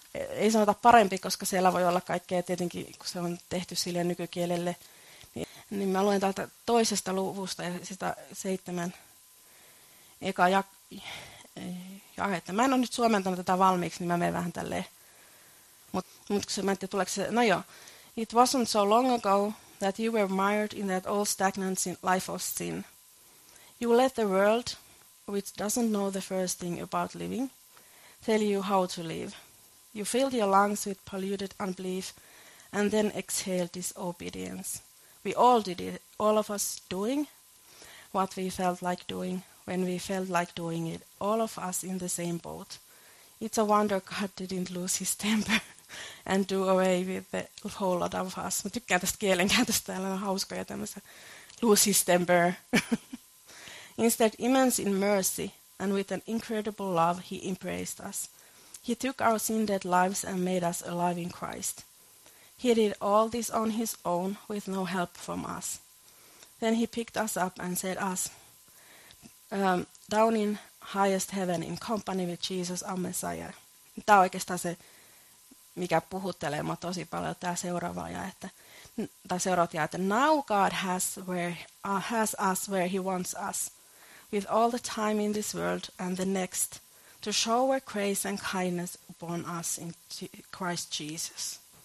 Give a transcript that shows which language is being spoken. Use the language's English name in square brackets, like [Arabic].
[Finnish] Ei sanota parempi, koska siellä voi olla kaikkea tietenkin, kun se on tehty silleen nykykielelle. Niin mä luen täältä toisesta luvusta ja sitä 7 eka jaetta. Mä en ole nyt suomentanut tätä valmiiksi, niin mä menen vähän tälleen. Mutta kun se, mä en tiedä, tuleeko se, no joo. [English] It wasn't so long ago that you were mired in that old stagnant life of sin. You let the world, which doesn't know the first thing about living, tell you how to live. You filled your lungs with polluted unbelief and then exhaled disobedience. We all did it, all of us doing what we felt like doing when we felt like doing it, all of us in the same boat. It's a wonder God didn't lose his temper and do away with the whole lot of us. [Finnish] Mä tykkään tästä kielenkäytöstä, täällä on hauskoja tämmöisiä. [English] Lose his temper. Instead, immense in mercy and with an incredible love, he embraced us. He took our sin-dead lives and made us alive in Christ. He did all this on his own with no help from us. Then he picked us up and set us down in highest heaven in company with Jesus, our Messiah. [Finnish] Tämä on oikeastaan se, mikä puhuttelee mua tosi paljon, tämä seuraava ja että tai seuraat jää, että [English] now God has us where he wants us, with all the time in this world and the next, to show where grace and kindness upon us in Christ Jesus.